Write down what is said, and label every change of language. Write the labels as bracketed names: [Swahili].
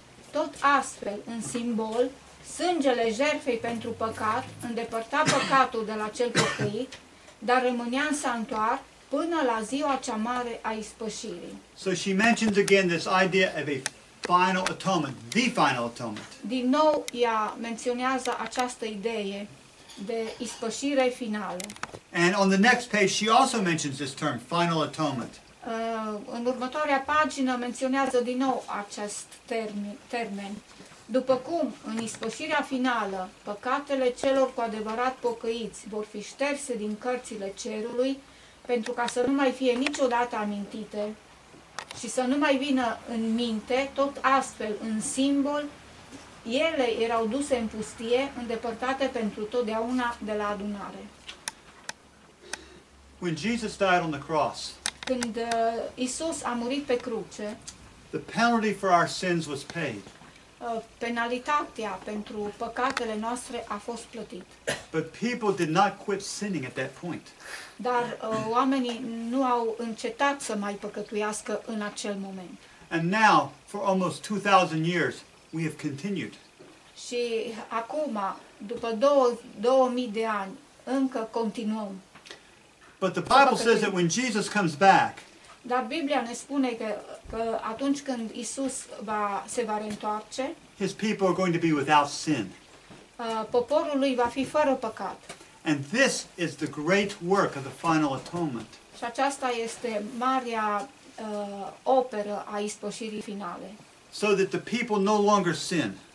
[Romanian] Tot astfel, în simbol, sângele jertfei pentru păcat îndepărta păcatul de la cel pocăit, dar rămânea în sanctuar până la ziua cea mare a ispășirii. [English] So she mentions again this idea of a final atonement, the final atonement. [Romanian] Din nou ea menționează această idee de ispășire finală. [English] And on the next page she also mentions this term, final atonement. [Romanian] În următoarea pagină menționează din nou acest termen. După cum în ispășirea finală păcatele celor cu adevărat pocăiți vor fi șterse din cărțile cerului pentru ca să nu mai fie niciodată amintite și să nu mai vină în minte, tot astfel în simbol ele erau duse în pustie, îndepărtate pentru totdeauna de la adunare. [English] When Jesus died on the cross, [Romanian] când Iisus a murit pe cruce, [English] the penalty for our sins was paid. [Romanian] Penalitatea pentru păcatele noastre a fost plătit. [English] But people did not quit sinning at that point. [Romanian] Dar oamenii nu au încetat să mai păcătuiască în acel moment. [English] And now, for almost 2,000 years, we have continued. [Romanian] Și acum, după 2000 de ani, încă continuăm. [English] But the Bible says that when Jesus comes back, [Romanian] dar Biblia ne spune că atunci când Isus se va reîntoarce, [English] his people are going to be without sin. [Romanian] Poporul lui va fi fără păcat. [English] And this is the great work of the final atonement. [Romanian] Și aceasta este marea operă a ispășirii finale. [English] So that the people no longer sin.